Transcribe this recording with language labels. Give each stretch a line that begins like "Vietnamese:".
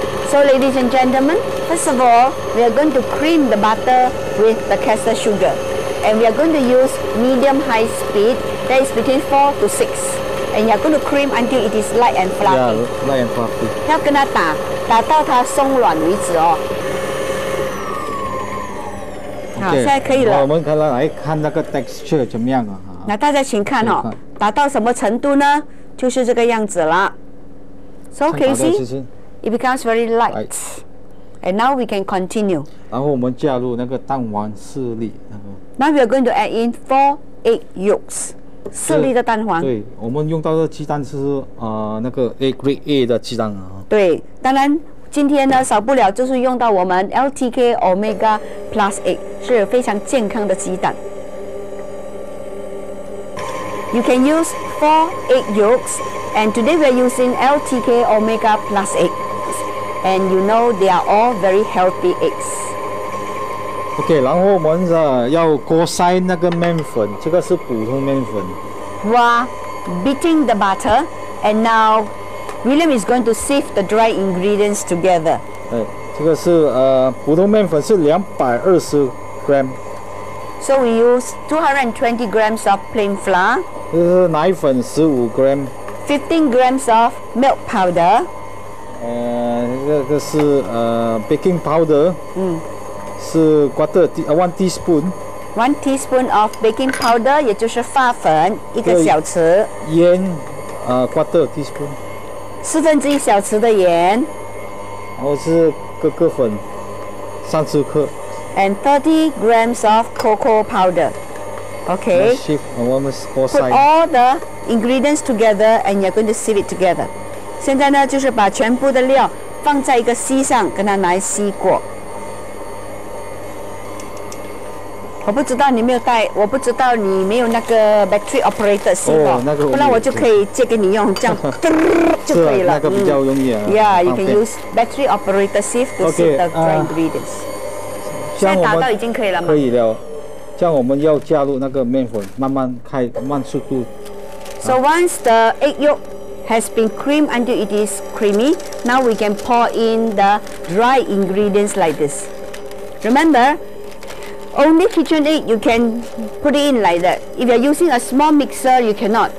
English: So, ladies and gentlemen, first of all, we are going to cream the butter with the caster sugar, and we are going to use medium high speed. That is between 4 to 6, and you are going to cream until it is light and fluffy. Yeah, light and fluffy.
Chinese: 要跟它打，打到它松软为止哦。好，现在可以了。我们可能来看那个 texture 怎么样啊？那大家请看哦，达到什么程度呢？就是这个样子了。
English: So can you see? It becomes very light. And now we can continue.
Chinese: 然后我们加入那个蛋黄四粒。
English: Now we are going to add in 4 egg yolks，
Chinese: 四粒的蛋黄。对，我们用到的鸡蛋是那个 grade A 的鸡蛋啊。对，当然。今天呢，少不了就是用到我们 LTK Omega Plus Egg， 是非常健康的鸡蛋。
English: You can use 4 egg yolks, and today we are using LTK Omega Plus Egg, and you know they are all very healthy eggs.
Chinese: Okay， 然后我们要锅筛那个面粉，这个是普通面粉。
English: We are beating the butter, and now. William is going to sift the dry ingredients together.
Chinese: 这个是普通面粉是220 gram.
English: So we use 220 grams of plain flour.
Chinese: 这是奶粉15 gram.
English: 15 grams of milk powder.
Chinese: 这个是baking powder. 是 1 teaspoon.
English: 1 teaspoon of baking powder,
Chinese: 也就是发粉一个小匙。盐 1/4 teaspoon. 四分之一小匙的盐，然后是哥哥粉30克
English: ，and 30 grams of cocoa powder. Okay. Put all the ingredients together, and you're going to sieve it together.
Chinese: 现在呢，就是把全部的料放在一个锡上，跟它拿来锡过。我不知道你没有带，我不知道你没有那个 battery operated 锡哦，那个，不然我就可以借给你用，这样噔就可以了。那个比较容易啊。
English: You can use battery operated sieve to sieve the dry ingredients。
Chinese: 现在达到已经可以了吗？可以了。这样我们要加入那个面粉，慢慢开，慢速度。
English: So once the egg yolk has been creamed until it is creamy, now we can pour in the dry ingredients like this. Remember. Only KitchenAid, you can put it in like that. If you're using a small mixer, you cannot.